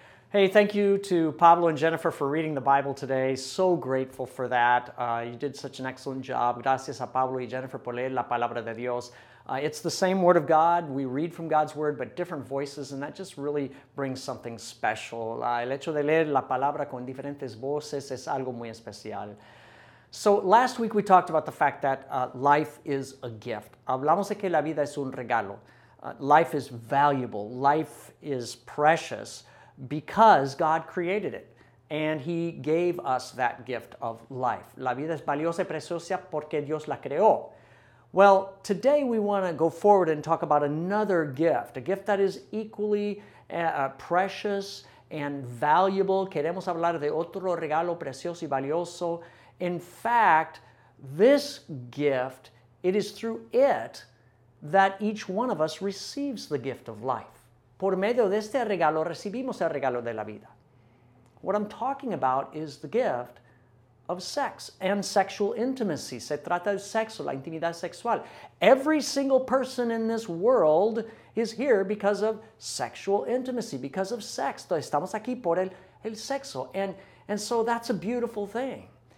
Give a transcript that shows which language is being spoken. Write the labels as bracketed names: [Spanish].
[English] Hey, thank you to Pablo and Jennifer for reading the Bible today. So grateful for that. You did such an excellent job. [Spanish] Gracias a Pablo y Jennifer por leer la palabra de Dios. [English] It's the same word of God. We read from God's word, but different voices, and that just really brings something special. [Spanish] El hecho de leer la palabra con diferentes voces es algo muy especial. [English] So last week we talked about the fact that life is a gift. [Spanish] Hablamos de que la vida es un regalo. [English] Life is valuable. Life is precious. Because God created it, and He gave us that gift of life. [Spanish] La vida es valiosa y preciosa porque Dios la creó. [English] Well, today we want to go forward and talk about another gift, a gift that is equally precious and valuable. [Spanish] Queremos hablar de otro regalo precioso y valioso. [English] In fact, this gift, it is through it that each one of us receives the gift of life. [Spanish] Por medio de este regalo, recibimos el regalo de la vida. [English] What I'm talking about is the gift of sex and sexual intimacy. [Spanish] Se trata del sexo, la intimidad sexual. [English] Every single person in this world is here because of sexual intimacy, because of sex. [Spanish] Estamos aquí por el sexo. [English] And so that's a beautiful thing.